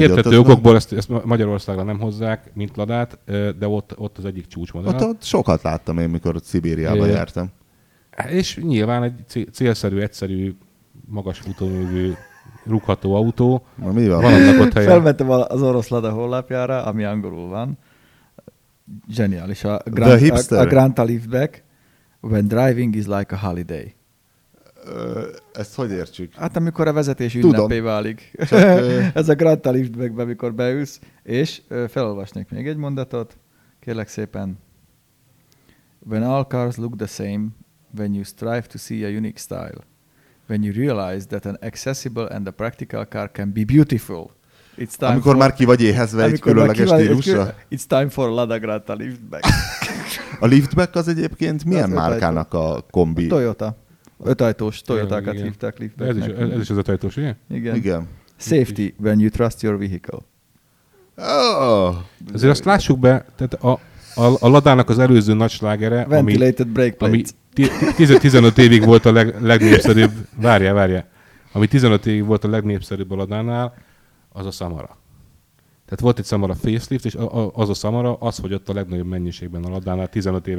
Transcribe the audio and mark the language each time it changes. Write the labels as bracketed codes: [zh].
[hu] Értető okokból ezt Magyarországra nem hozzák, mint Ladát, de ott az egyik csúcsmodell. Ott sokat láttam én, mikor Szibériába jártam. És nyilván egy célszerű, egyszerű, magas futóművű, rugható autó. Na mi van? Felmentem az orosz Lada honlapjára, ami angolul van. Zseniális. A Granta Liftback. [en] When driving is like a holiday. [hu] Ezt hogy értsük? Hát amikor a vezetés ünnepé válik. ez a Granta Liftbackbe, amikor beülsz. És felolvasnék még egy mondatot. Kérlek szépen. [en] When all cars look the same, when you strive to see a unique style, when you realize that an accessible and a practical car can be beautiful, it's time [hu] amikor [en] for... [hu] már ki vagy éhezve egy különleges stílusra. [en] It's time for Lada Granta Liftback. [hu] A Liftback az egyébként milyen márkának a kombi? A Toyota. 5 ajtós Toyotákat hívták Liftbacknek. Ez is az 5 ajtós, ugye? Igen. [en] Safety when you trust your vehicle. Oh. [hu] Azért azt lássuk be, tehát a Ladának az előző nagy slágere, [en] Ventilated brake plate. [hu] Ami 15 évig volt a legnépszerűbb, várjál, ami 15 évig volt a legnépszerűbb a Ladánál, az a Samara. Tehát volt egy Samara facelift, és az a Samara az fogyott a legnagyobb mennyiségben a Ladánál 15 éven